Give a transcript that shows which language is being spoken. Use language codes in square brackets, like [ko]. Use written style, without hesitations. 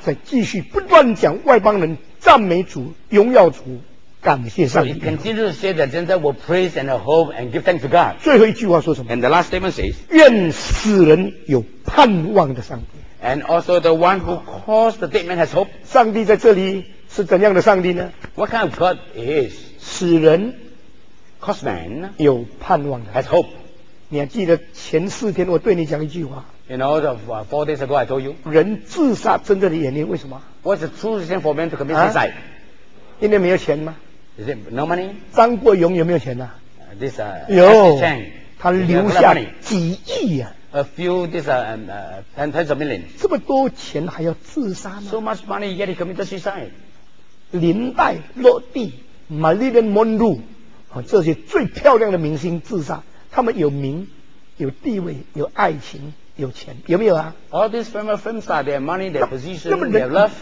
[zh] 在继续不断讲外邦人赞美主荣耀主感谢上帝 [en] so he continues to say that Gentiles will praise and hope and give thanks to God [zh] 最后一句话说什么 [en] and the last statement says [zh] 愿死人有盼望的上帝 [en] and also the one who calls the dead man has hope [zh] 上帝在这里是怎样的上帝呢 [en] what kind of God is [zh] 死人 [en] cause man [zh] 有盼望的 [en] has hope [zh] 你还记得前四天我对你讲一句话 [en] You know, the, four days ago I told you. [zh] 人自杀真正的原因为什么？ [en] What's the true reason for men to commit suicide?、 [zh] 因为没有钱吗？ [en] Is it no money? [zh] 张国荣有没有钱啊？ [en] This, [zh] Chang, 他留下几亿啊。 [en] A few, this, tens of million. [zh] 这么多钱还要自杀吗？ [en] So much money, yet he committed suicide. [zh] 林黛、洛蒂、玛丽莲·蒙露，这些最漂亮的明星自杀，他们有名、有地位、有爱情。有钱有没有啊 [en] ？All these famous film stars, their money, their position, their love.